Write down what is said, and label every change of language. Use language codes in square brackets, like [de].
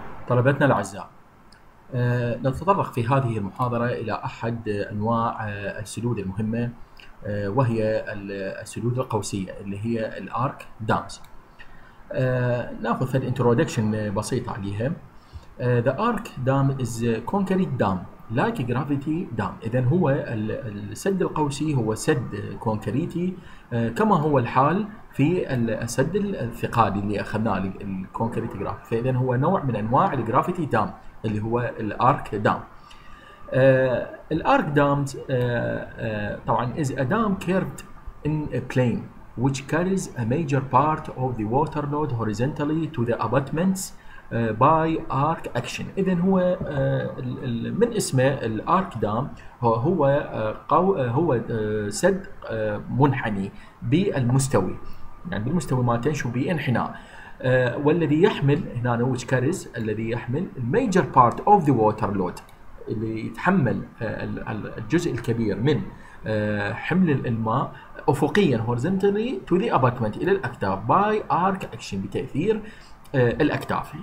[ar] طلبتنا الأعزاء، نتطرق في هذه المحاضرة إلى أحد أنواع السدود المهمة، وهي السدود القوسية اللي هي الأرك دانس. ناخذ فد introduction بسيطة عليها. [en] The arc dam is concrete dam like a gravity dam. [ar] إذا هو السد القوسي هو سد كونكريتي كما هو الحال في السد الثقالي اللي أخذناه الكونكريت جراف. فإذا هو نوع من أنواع الجرافيتي دام اللي هو الارك دام. الارك دام طبعا [en] is a dam curved in a plane which carries a major part of the water load horizontally to the abutments by arc action. [ar] إذا هو من اسمه الارك دام هو سد منحني بالمستوي، يعني بالمستوي مالته بانحناء، والذي يحمل هنا [en] which carries [ar] الذي يحمل [en] major part of the water load [ar] اللي يتحمل الجزء الكبير من حمل الماء افقيا [en] horizontally to the abutment [ar] الى الاكتاف [en] by arc action [ar] بتاثير الاكتاف.